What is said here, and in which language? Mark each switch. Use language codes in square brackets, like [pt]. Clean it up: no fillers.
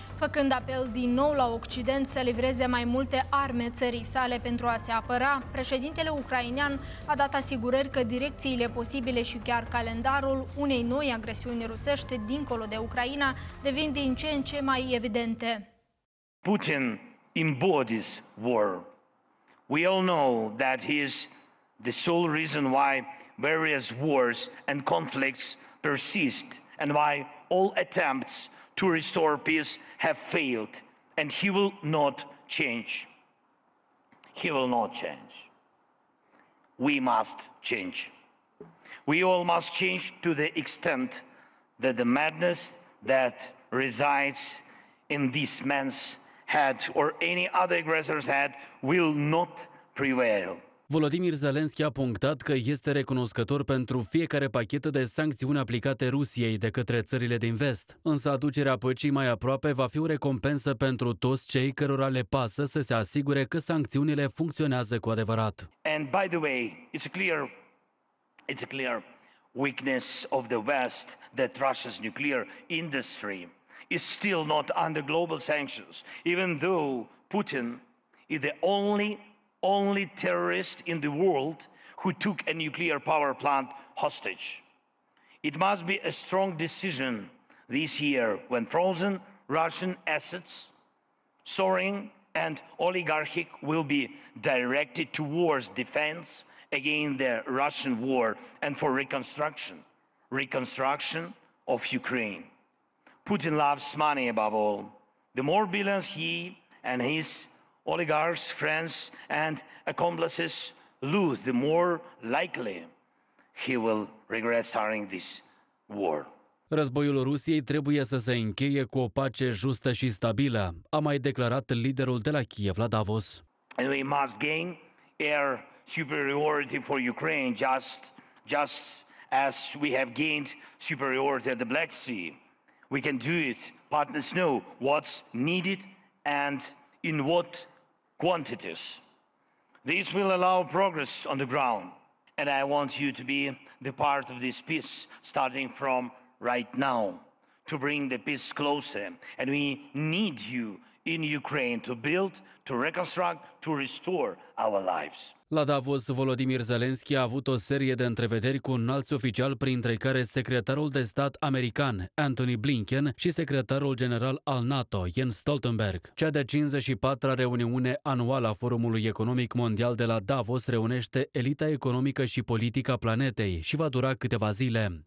[ro] Făcând apel din nou la Occident să livreze mai multe arme țării sale pentru a se apăra, președintele ucrainean a dat asigurări că direcțiile posibile și chiar calendarul unei noi agresiuni rusești dincolo de Ucraina devin din ce în ce mai evidente. [en] Putin embodies war. We all know that he is the sole reason why various wars and conflicts persist and why all attempts to restore peace have failed, and he will not change. He will not change. We must change. We all must change to the extent that the madness that resides in this man's head or any other aggressor's head will not prevail. [ro] Volodymyr Zelensky a punctat că este recunoscător pentru fiecare pachetă de sancțiuni aplicate Rusiei de către țările din vest. Însă aducerea păcii mai aproape va fi o recompensă pentru toți cei cărora le pasă să se asigure că sancțiunile funcționează cu adevărat. [en] And by the way, it's a clear weakness of the West that Russia's nuclear industry is still not under global sanctions, even though Putin is the only terrorist in the world who took a nuclear power plant hostage. It must be a strong decision this year when frozen Russian assets, soaring and oligarchic, will be directed towards defense against the Russian war and for reconstruction of Ukraine. Putin loves money above all. The more billions he and his oligarchs, friends and accomplices lose, the more likely he will regret starting this war. [ro] Războiul Rusiei trebuie să se încheie cu o pace justă și stabilă, a mai declarat liderul de la Kiev la Davos. [en] And we must gain air superiority for Ukraine just as we have gained superiority at the Black Sea. We can do it. Partners know what's needed and in what quantities. This will allow progress on the ground, and I want you to be the part of this peace, starting from right now, to bring the peace closer. And we need you in Ukraine to build, to reconstruct, to restore our lives. [ro] La Davos, Volodymyr Zelensky a avut o serie de întrevederi cu un alt oficial, printre care secretarul de stat american, Antony Blinken, și secretarul general al NATO, Jens Stoltenberg. Cea de-a 54-a reuniune anuală a Forumului Economic Mondial de la Davos reunește elita economică și politică a planetei și va dura câteva zile.